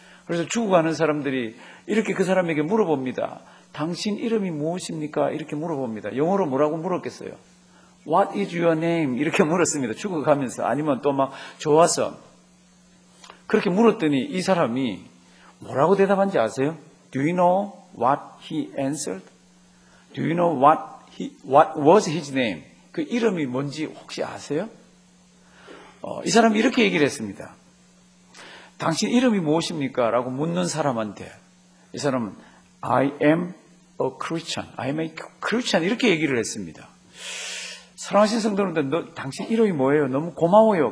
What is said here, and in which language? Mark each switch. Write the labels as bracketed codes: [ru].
[ko] 그래서 죽어가는 사람들이 이렇게 그 사람에게 물어봅니다. 당신 이름이 무엇입니까? 이렇게 물어봅니다. 영어로 뭐라고 물었겠어요? [en] What is your name? [ko] 이렇게 물었습니다. 죽어가면서 아니면 또 막 좋아서 그렇게 물었더니 이 사람이 뭐라고 대답한지 아세요? [en] Do you know what he answered? Do you know what was his name? [ko] 그 이름이 뭔지 혹시 아세요? 이 사람이 이렇게 얘기를 했습니다. 당신 이름이 무엇입니까? 라고 묻는 사람한테 이 사람은 [en] I am a Christian. I am a Christian. [ko] 이렇게 얘기를 했습니다. 사랑하신 성도님들, 당신 이름이 뭐예요? 너무 고마워요.